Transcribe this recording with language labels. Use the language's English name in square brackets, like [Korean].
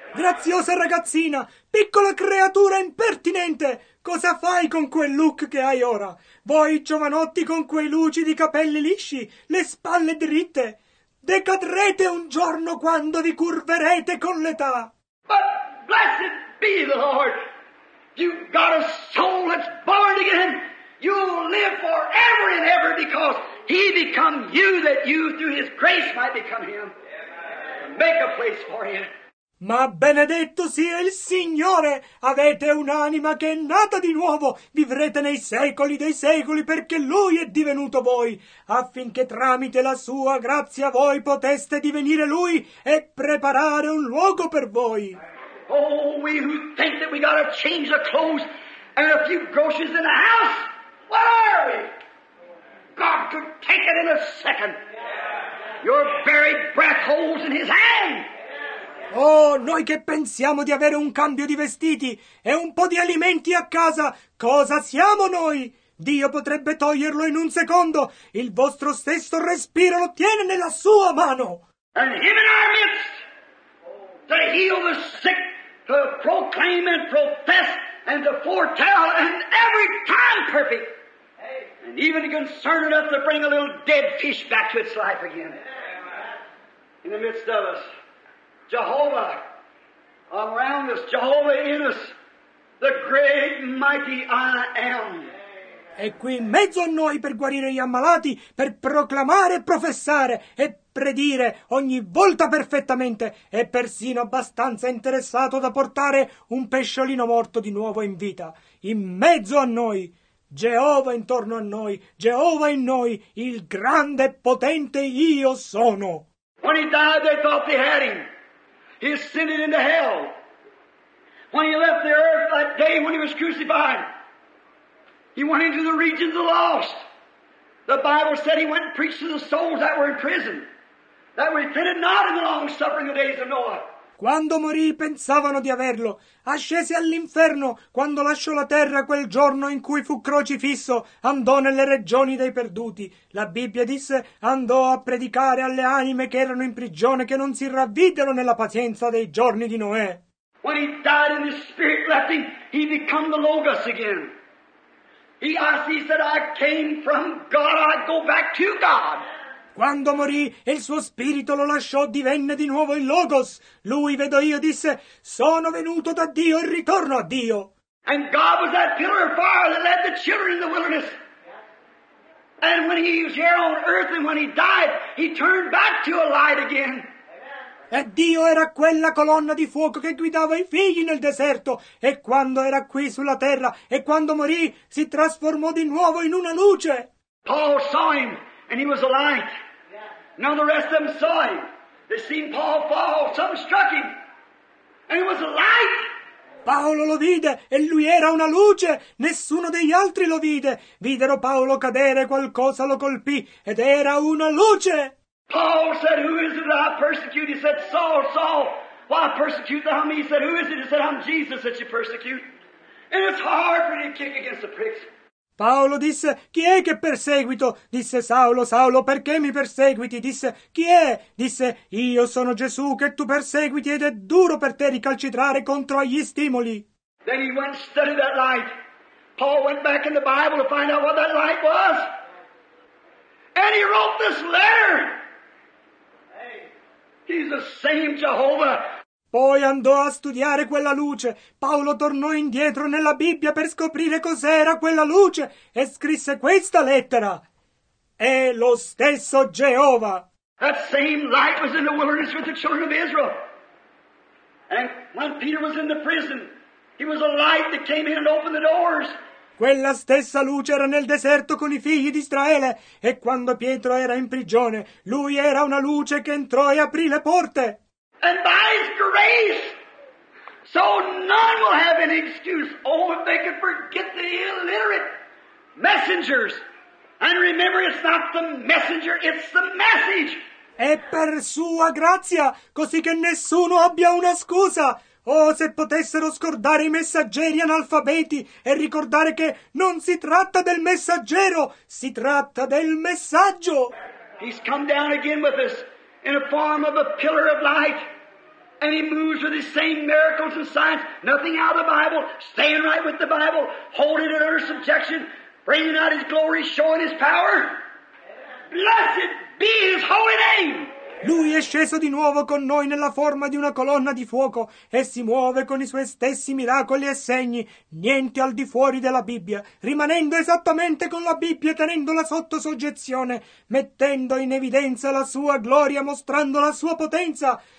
[Italian] Graziosa ragazzina, piccola creatura impertinente, cosa fai con quel look che hai ora? Voi giovanotti con quei lucidi capelli lisci, le spalle dritte, decadrete un giorno quando vi curverete con l'età. [English] But blessed be the Lord, you've got a soul that's born again, you'll live forever and ever because he become you that you through his grace might become him. Make a place for you. [Italian] Ma benedetto sia il Signore! Avete un'anima che è nata di nuovo! Vivrete nei secoli dei secoli perché Lui è divenuto voi, affinché tramite la Sua grazia voi poteste divenire Lui e preparare un luogo per voi. [English] Oh, we who think that we gotta change the clothes and a few groceries in the house, what are we? God could take it in a second. Your very breath holds in His hand. [Italian] Oh, noi che pensiamo di avere un cambio di vestiti e un po' di alimenti a casa, cosa siamo noi? Dio potrebbe toglierlo in un secondo. Il vostro stesso respiro lo tiene nella sua mano. [English] And him in our midst, to heal the sick, to proclaim and profess and to foretell and every time perfect. And even to concern enough to bring a little dead fish back to its life again. In the midst of us. Jehovah, around us, Jehovah in us, the great mighty I am. [Italian] E qui in mezzo a noi per guarire gli ammalati, per proclamare e professare e predire ogni volta perfettamente e persino abbastanza interessato da portare un pesciolino morto di nuovo in vita. In mezzo a noi, Geova intorno a noi, Geova in noi, il grande e potente Io sono. [English] When he died, they thought they had him. He ascended into hell. When he left the earth that day when he was crucified, he went into the regions of the lost. The Bible said he went and preached to the souls that were in prison, that repented not in the long suffering of the days of Noah. [Italian] Quando morì pensavano di averlo. Ascese all'inferno quando lasciò la terra quel giorno in cui fu crocifisso. Andò nelle regioni dei perduti. La Bibbia disse andò a predicare alle anime che erano in prigione che non si ravvidero nella pazienza dei giorni di Noè. [English] When he died and his spirit left him, he became the Logos again. He said, I came from God, I go back to God. [Italian] Quando morì e il suo spirito lo lasciò, divenne di nuovo il Logos. Lui, vedo io, disse, sono venuto da Dio e ritorno a Dio. [English] And God was that pillar of fire that led the children in the wilderness. And when he was here on earth and when he died, he turned back to a light again. [Italian] E Dio era quella colonna di fuoco che guidava i figli nel deserto. E quando era qui sulla terra, e quando morì, si trasformò di nuovo in una luce. [English] Paul saw him, and he was a light. Now the rest of them saw him. They seen Paul fall. Some struck him, and he was a light. [Italian] Paolo lo vide, e lui era una luce. Nessuno degli altri lo vide. Videro Paolo cadere, qualcosa lo colpì, ed era una luce. [English] Paul said, who is it that I persecute? He said, Saul, Saul, why persecute thou me? He said, who is it? He said, I'm Jesus that you persecute. And it's hard for you to kick against the pricks. [Italian] Paolo disse, chi è che perseguito? Disse, Saulo, Saulo, perché mi perseguiti? Disse, chi è? Disse, io sono Gesù che tu perseguiti ed è duro per te ricalcitrare contro agli stimoli. [English] Then he went and studied that light. Paul went back in the Bible to find out what that light was. And he wrote this letter. He's the same Jehovah. [Italian] Poi andò a studiare quella luce. Paolo tornò indietro nella Bibbia per scoprire cos'era quella luce e scrisse questa lettera. È lo stesso Geova. [English] That same light was in the wilderness with the children of Israel. And when Peter was in the prison, he was a light that came in and opened the doors. [Italian] Quella stessa luce era nel deserto con i figli di Israele e quando Pietro era in prigione, lui era una luce che entrò e aprì le porte. [English] And by his grace, so none will have any excuse. Oh, if they could forget the illiterate messengers. And remember, it's not the messenger, it's the message. [Italian] E per sua grazia, così che nessuno abbia una scusa. Oh, se potessero scordare i messaggeri analfabeti e ricordare che non si tratta del messaggero, si tratta del messaggio. [English] He's come down again with us. In a form of a pillar of light. And he moves with the same miracles and signs. Nothing out of the Bible. Staying right with the Bible. Holding it under subjection. Bringing out his glory. Showing his power. Blessed be his holy name. [Italian] Lui è sceso di nuovo con noi nella forma di una colonna di fuoco e si muove con i suoi stessi miracoli e segni, niente al di fuori della Bibbia, rimanendo esattamente con la Bibbia, tenendola sotto soggezione, mettendo in evidenza la sua gloria, mostrando la sua potenza.